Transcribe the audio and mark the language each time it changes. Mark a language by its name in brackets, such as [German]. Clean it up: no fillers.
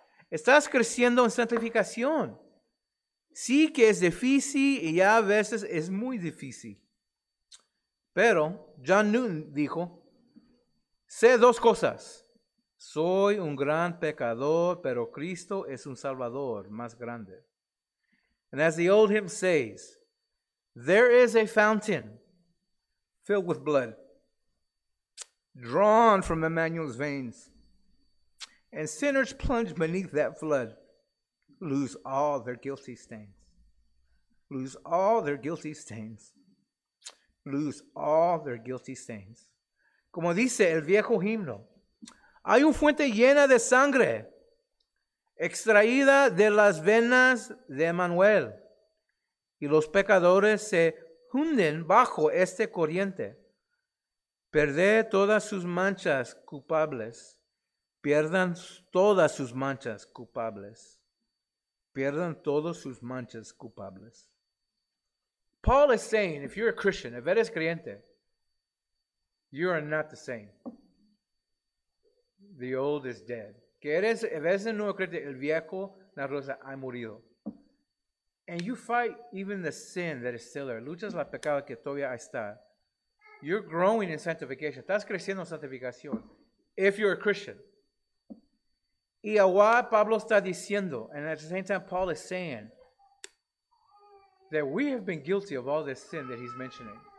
[Spanish] Estás creciendo en santificación. Sí que es difícil y ya a veces es muy difícil. Pero John Newton dijo, sé dos cosas. Soy un gran pecador, pero Cristo es un salvador más grande. [English] And as the old hymn says, there is a fountain filled with blood, drawn from Emmanuel's veins, and sinners plunged beneath that flood lose all their guilty stains. Lose all their guilty stains. Lose all their guilty stains. [Spanish] Como dice el viejo himno, hay una fuente llena de sangre extraída de las venas de Emmanuel, y los pecadores se hunden bajo este corriente. Perder todas sus manchas culpables. Pierdan todas sus manchas culpables. pierdan todos sus manchas culpables. [English] Paul is saying, if you're a Christian, if [Spanish] eres creyente, [English] you are not the same. The old is dead. [Spanish] Que eres, if eres el nuevo creyente, el viejo, la rosa, ha murido. [English] And you fight even the sin that is still there. [Spanish] Luchas la pecado que todavía está. [English] You're growing in sanctification. [Spanish] Estás creciendo en santificación. [English] If you're a Christian. [Spanish] Y ahora Pablo está diciendo, [English] and at the same time Paul is saying, that we have been guilty of all this sin that he's mentioning.